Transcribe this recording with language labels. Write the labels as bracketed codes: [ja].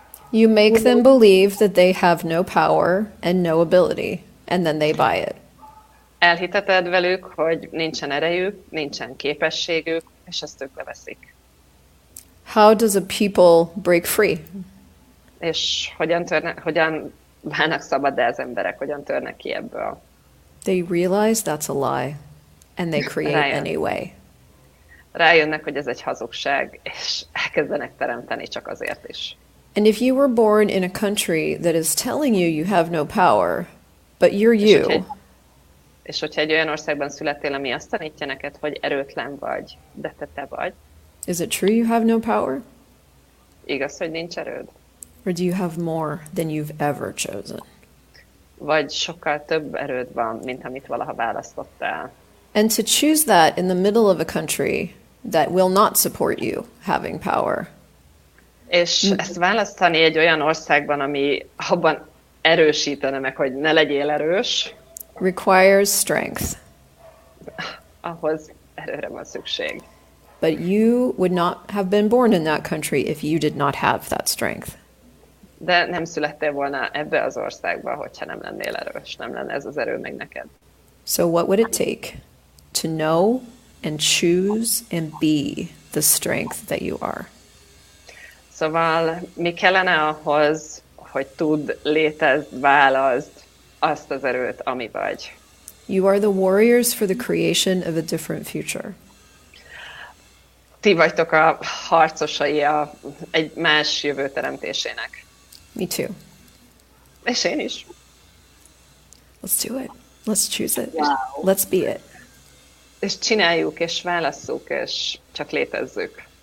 [en] You make them believe that they have no power and no ability, and then they buy it. [hu] Elhiteted velük, hogy nincsen erejük, nincsen képességük, és ezt ők leveszik. [en] How does a people break free? [hu] És hogyan válnak szabad az emberek, hogyan törnek ki ebből? [en] They realize that's a lie, and they create anyway. [hu] Rájönnek, hogy ez egy hazugság, és elkezdenek teremteni csak azért is. [en] And if you were born in a country that is telling you you have no power, but you're you. [hu] És hogyha egy olyan országban születtél, ami azt tanítja neked, hogy erőtlen vagy, de te vagy. [en] Is it true you have no power? [hu] Igaz, hogy nincs erőd? [en] Or do you have more than you've ever chosen? [hu] Vagy sokkal több erőd van, mint amit valaha választottál. [en] And to choose that in the middle of a country that will not support you having power. [hu] És ezt választani egy olyan országban, ami abban erősítene meg, hogy ne legyél erős. [en] Requires strength. [hu] Ahhoz erőre van szükség. [en] But you would not have been born in that country if you did not have that strength. [hu] De nem születtél volna ebbe az országba, hogyha nem lennél erős, nem lenne ez az erő meg neked. [en] So what would it take to know and choose and be the strength that you are? [hu] Szóval mi kellene ahhoz, hogy tud létezd, válaszd azt az erőt, ami vagy. [en] You are the warriors for the creation of a different future. [hu] Ti vagytok a harcosai a egy más jövő teremtésének. [en] Me too. [hu] És én is. [en] Let's do it. Let's choose it. Wow. Let's be it. [hu] És csináljuk, és válasszuk, és csak létezzük.